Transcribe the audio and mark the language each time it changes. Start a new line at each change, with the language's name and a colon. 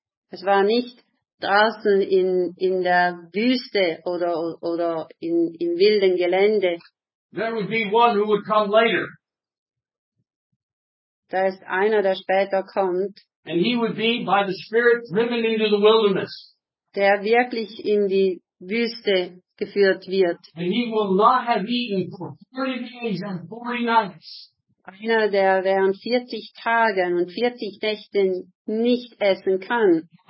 German: Es war nicht draußen in der Wüste oder im wilden Gelände.
English: There would be one who would come later.
German: Da ist einer, der später kommt.
English: And he would be by the Spirit driven into the wilderness.
German: Der wirklich in die Wüste geführt wird.
English: And he will not have eaten for 40 days and 40 nights.
German: Einer, der während 40 Tagen und 40 Nächten nicht essen kann.